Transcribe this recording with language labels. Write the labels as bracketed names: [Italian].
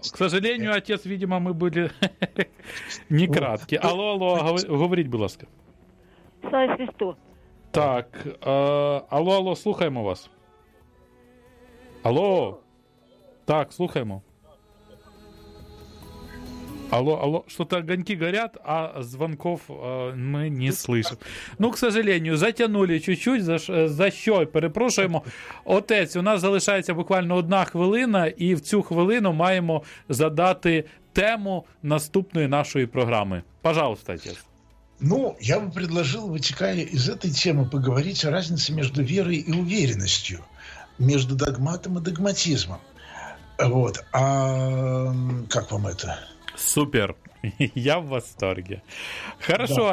[Russian] К сожалению, отец, видимо, мы были не краткі. [Ukrainian] Алло, алло, говоріть, будь ласка. Слава Христу. Так, алло, алло, слухаємо вас. Алло. Так, слухаємо. [Russian] Алло, алло, что-то огоньки горят, а звонков мы не слышим. Ну, к сожалению, затянули чуть-чуть, [Ukrainian] за що, перепрошуємо. Отець, у нас залишається буквально одна хвилина, і в цю хвилину маємо задати тему наступної нашої програми. [Russian] Пожалуйста, отець. Ну, я бы предложил, вытекая из этой темы, поговорить о разнице между верой и уверенностью, между догматом и догматизмом. Вот. А как вам это? Супер. Я в восторге. Хорошо, да.